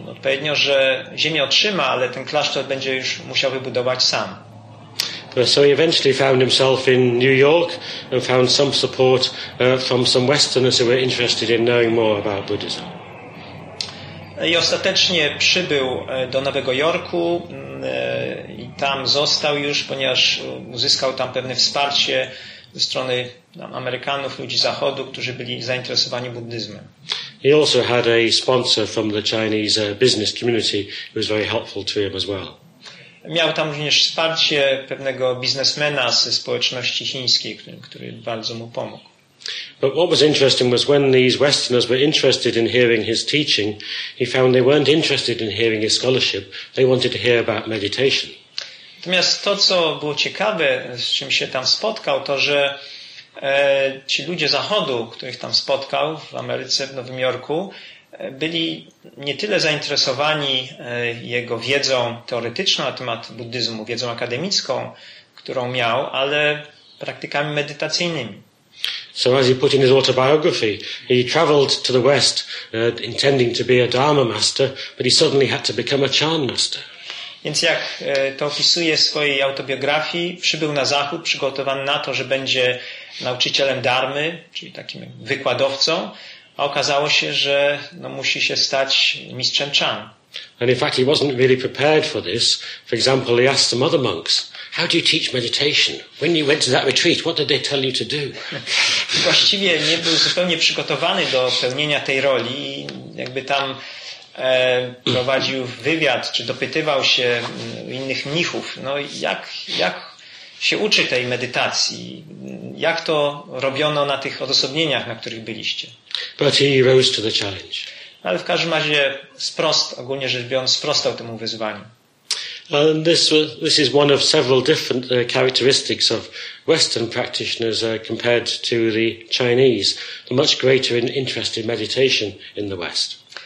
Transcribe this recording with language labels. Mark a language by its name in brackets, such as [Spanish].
[Polish] Odpowiednio, że ziemię otrzyma, ale ten klasztor będzie już musiał wybudować sam. [English] So he eventually found himself in New York and found some support from some Westerners who were interested in knowing more about Buddhism. [Polish] I ostatecznie przybył do Nowego Jorku i tam został już, ponieważ uzyskał tam pewne wsparcie ze strony Amerykanów, ludzi Zachodu, którzy byli zainteresowani buddyzmem. [English] He also had a sponsor from the Chinese business community who was very helpful to him as well. [Polish] Miał tam również wsparcie pewnego biznesmena ze społeczności chińskiej, który bardzo mu pomógł. [English] But what was interesting was when these Westerners were interested in hearing his teaching, he found they weren't interested in hearing his scholarship. They wanted to hear about meditation. [Polish] Natomiast to, co było ciekawe, z czym się tam spotkał, to, że ci ludzie Zachodu, których tam spotkał w Ameryce, w Nowym Jorku, byli nie tyle zainteresowani jego wiedzą teoretyczną na temat buddyzmu, wiedzą akademicką, którą miał, ale praktykami medytacyjnymi. [English] So as he put in his autobiography, he traveled to the West intending to be a Dharma master, but he suddenly had to become a Chan master. [Polish] Więc jak to opisuje w swojej autobiografii, przybył na Zachód przygotowany na to, że będzie nauczycielem Dharmy, czyli takim wykładowcą, a okazało się, że no, musi się stać mistrzem Chan. [English] And in fact he wasn't really prepared for this. For example, he asked some other monks, how do you teach meditation? When you went to that retreat, what did they tell you to do? [Polish] Właściwie nie był zupełnie przygotowany do pełnienia tej roli i jakby tam prowadził wywiad, czy dopytywał się innych mnichów, no jak się uczy tej medytacji, jak to robiono na tych odosobnieniach, na których byliście. [English] But he rose to the challenge. [Polish] Ale w każdym razie ogólnie rzecz biorąc, sprostał temu wyzwaniu. [English] This is one of several different characteristics of Western practitioners compared to the Chinese, the much greater interest in meditation in the West.